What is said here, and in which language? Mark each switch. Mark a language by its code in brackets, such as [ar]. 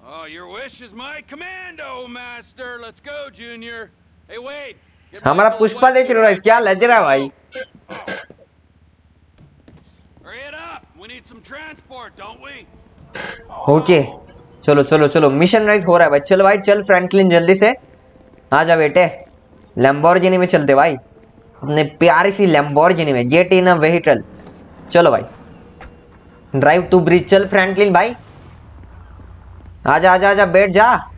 [en] Oh, your wish is my command, oh master. Let's go, junior. Hey, wait. [hi] हमारा पुष्पा देख रहा है, क्या लग रहा है भाई? [en] Hurry it up. We need some transport, don't we? Okay. [hi] चलो चलो चलो, मिशन राइज हो रहा है भाई। चल भाई चल फ्रैंकलिन, जल्दी से आ जा बेटे, लैम्बोर्गिनी में चलते भाई, अपने प्यारी सी लैम्बोर्गिनी में, [en] Jet in a vehicle. [hi] चलो भाई [en] drive to bridge, [hi] चल फ्रैंकलिन भाई आ जा आ जा आ जा, बैठ जा।